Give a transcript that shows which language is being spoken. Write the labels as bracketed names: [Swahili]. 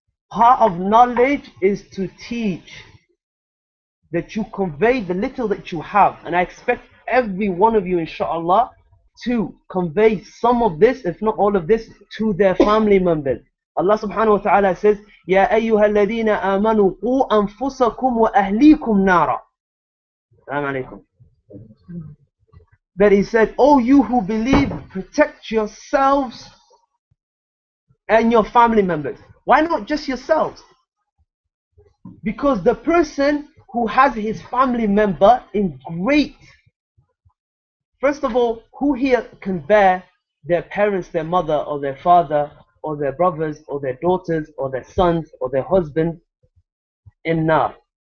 [English] Part of knowledge is to teach, that you convey the little that you have. And I expect every one of you, inshallah, to convey some of this, if not all of this, to their family members. Allah subhanahu wa ta'ala says, [Arabic] يَا أَيُّهَا الَّذِينَ آمَنُوا قُوا أَنفُسَكُمْ وَأَهْلِيكُمْ نَارًا. Assalamu alaikum. [English] But He said, oh, you who believe, protect yourselves and your family members. Why not just yourselves? Because the person who has his family member in great, first of all, who here can bear their parents, their mother, or their father, or their brothers, or their daughters, or their sons, or their husbands in Nar?